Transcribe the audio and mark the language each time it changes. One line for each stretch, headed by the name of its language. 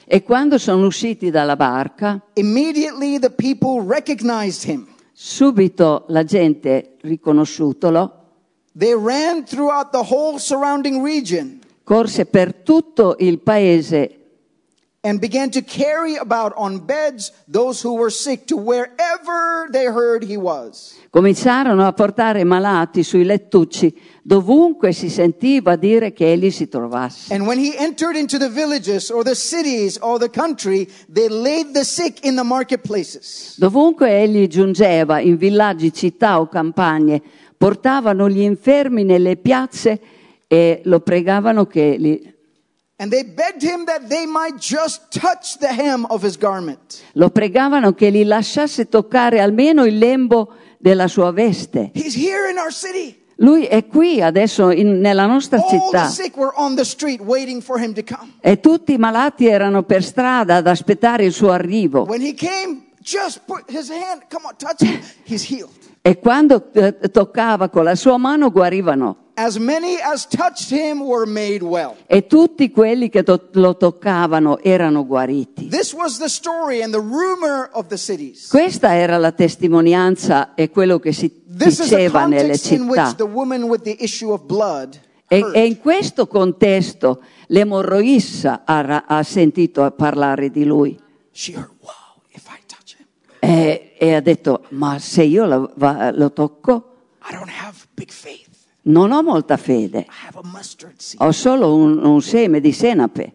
Italian: e quando sono usciti dalla barca,
English: immediately the people recognized him.
Italian: Subito la gente riconosciutolo.
English: They ran throughout the whole surrounding region.
Italian: Corse per tutto il paese.
English: And began to carry about on beds those who were sick to wherever they heard he was.
Italian: Cominciarono a portare malati sui lettucci dovunque si sentiva dire che egli si trovasse.
English: And when he entered into the villages or the cities or the country, they laid the sick in the marketplaces.
Italian: Dovunque egli giungeva in villaggi, città o campagne, portavano gli infermi nelle piazze e lo pregavano che li.
English: And they begged him that they might just touch the hem of his garment.
Italian: Lo pregavano che li lasciasse toccare almeno il lembo della sua veste.
English: He's here in our city.
Italian: Lui è qui adesso nella nostra città.
English: All the sick were on the street waiting for him to come.
Italian: E tutti i malati erano per strada ad aspettare il suo arrivo.
English: When he came, just put his hand, come on, touch him, he's healed.
Italian: E quando toccava con la sua mano guarivano.
English: As many as touched him were made well.
Italian: E tutti quelli che lo toccavano erano guariti.
English: This was the story and the rumor of the cities.
Italian: Questa era la testimonianza e quello che si diceva nelle città.
English: This is the context in which the woman with the issue of blood heard.
Italian: E in questo contesto l'emorroissa ha sentito parlare di lui.
English: She heard, wow, if I touch him.
Italian: E ha detto, ma se io lo tocco?
English: I don't have big faith.
Italian: Non ho molta fede.
English: I have a mustard seed.
Italian: Ho solo un seme di senape.